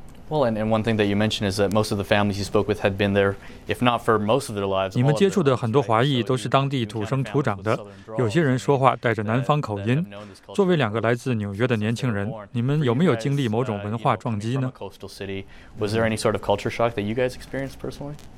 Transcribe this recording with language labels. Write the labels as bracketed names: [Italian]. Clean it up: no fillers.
[English] Well, and one thing that you mentioned is that most of the families you spoke with had been there, if not for most of their lives. [Chinese] 你们接触的很多华裔都是当地土生土长的，有些人说话带着南方口音。作为两个来自纽约的年轻人，你们有没有经历某种文化撞击呢 [English] ？Coastal city, was there any sort of culture shock that you guys experienced personally?